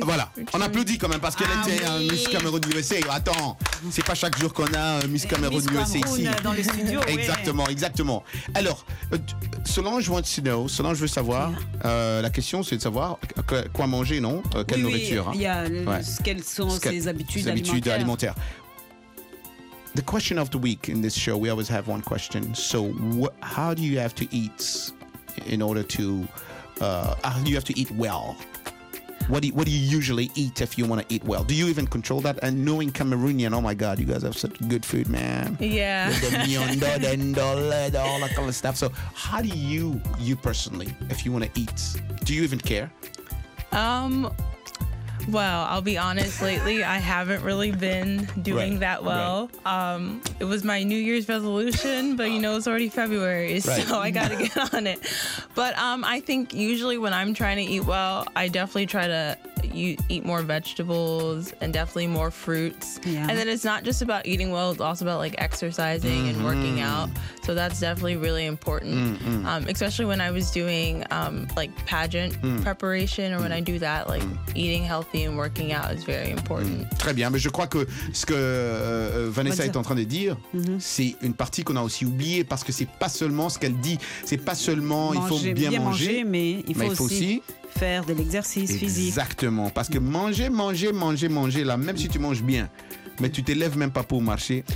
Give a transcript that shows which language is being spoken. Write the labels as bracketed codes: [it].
[fr] Voilà, on applaudit quand même parce qu'elle était Miss Cameroon USA. Attends, c'est pas chaque jour qu'on a Miss Cameroon USA ici. Miss Cameroon dans le studio. Exactement, oui. Exactement. Alors, Solange veut savoir, la question c'est de savoir quoi manger, non ? Quelle nourriture ? Oui, hein. quelles sont ses habitudes alimentaires. [en] The question of the week in this show, we always have one question. So, how do you have to eat in order to you have to eat well? What do you usually eat if you want to eat well? Do you even control that? And knowing Cameroonian, oh my God, you guys have such good food, man. Yeah. All that kind of stuff. So how do you personally, if you want to eat, do you even care? Well, I'll be honest, lately I haven't really been doing that well. Okay. It was my New Year's resolution, but you know, it's already February, so I gotta get on it. But I think usually when I'm trying to eat well, I definitely try to eat more vegetables and definitely more fruits. Yeah. And then it's not just about eating well, it's also about like exercising and working out. So that's definitely really important, especially when I was doing like pageant preparation or when I do that, like eating healthy. And working out is very important. [fr] Très bien, mais je crois que ce que Vanessa est en train de dire, c'est une partie qu'on a aussi oubliée parce que c'est pas seulement ce qu'elle dit, c'est pas seulement manger, il faut bien manger, mais il faut aussi faire de l'exercice physique. Exactement, parce que manger, là, même si tu manges bien, mais tu t'élèves même pas pour marcher.